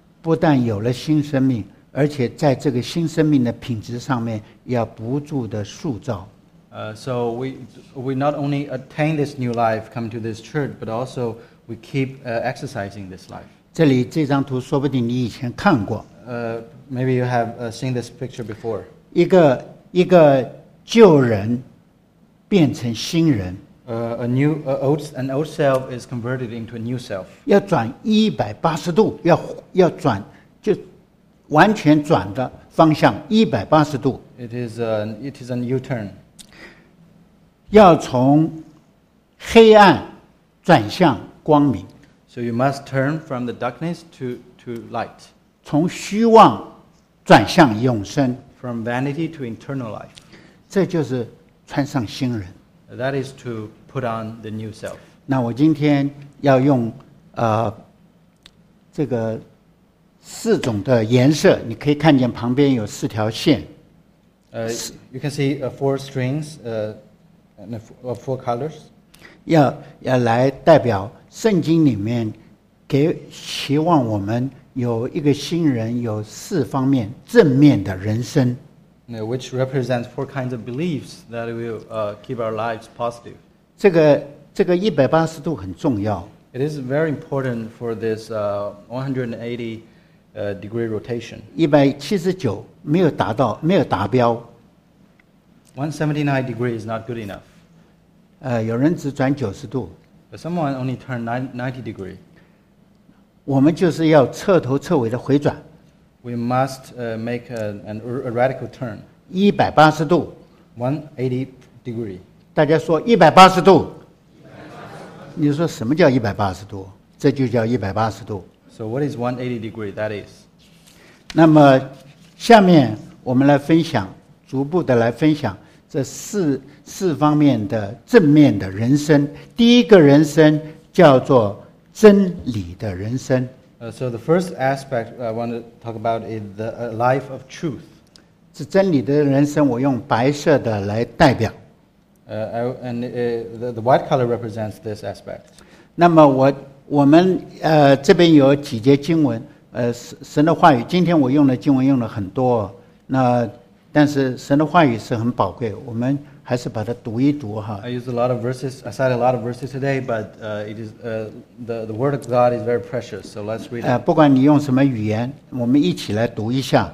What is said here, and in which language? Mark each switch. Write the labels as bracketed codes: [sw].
[zh] 不但有了新生命，而且在这个新生命的品质上面要不住的塑造。 [en] So we not only attain this new life coming to this church, but also we keep exercising this life. [zh] 这里这张图说不定你以前看过。 [en] Maybe you have seen this picture before. [zh] 一个旧人变成新人。 [en] An old self is converted into a new self. [zh] 要转180度，要转就完全转的方向180度。 [en] It is an U-turn. [zh] 要从黑暗转向光明。 [en] So you must turn from the darkness to light. [zh] 从虚妄转向永生。 [en] From vanity to eternal life. [zh] 这就是穿上新人。 [en] That is to put on the new self. [zh] 那我今天要用这个四种的颜色，你可以看见旁边有四条线。 [en] You can see four strings, and four colors. [zh] 要来代表圣经里面给期望我们有一个新人有四方面正面的人生。 [en] Which represents four kinds of beliefs that will keep our lives positive. [zh] 这个180度很重要。 [en] It is very important for this 180 degree rotation. [zh] 179没有达标。 [en] 179 degrees is not good enough. [zh] 有人只转90度。 [en] But someone only turned 90 degree. [zh] 我们就是要彻头彻尾的回转。 [en] We must make a radical turn. [zh] 180度。 [en] 180 degree. [zh] 大家说180度。你说什么叫180度？这就叫180度。 [en] So what is 180 degree? That is. [zh] 那么下面我们来分享，逐步的来分享这四方面的正面的人生。第一个人生叫做真理的人生。 [en] So the first aspect I want to talk about is the life of truth. [zh] 是真理的人生，我用白色的来代表。 [en] The white color represents this aspect. [zh] 那么我们这边有几节经文，神的话语。今天我用的经文用了很多，那但是神的话语是很宝贵，我们还是把它读一读哈。 [en] I used a lot of verses. I cited a lot of verses today, but it is the word of God is very precious. So let's read. [zh] 不管你用什么语言，我们一起来读一下。